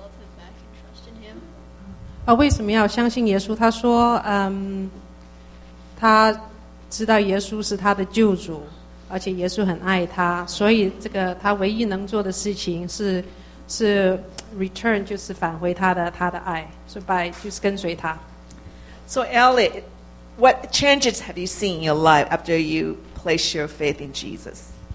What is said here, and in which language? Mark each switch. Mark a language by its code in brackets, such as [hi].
[en] The only thing I can really do is to love him back and trust in him. [zh] 为什么要相信耶稣？他说，他知道耶稣是他的救主，而且耶稣很爱他，所以他唯一能做的事情是 return, 就是返回他的爱，是by就是跟随他。 [en] So Elliot, what changes have you seen in your life after you place your faith in Jesus?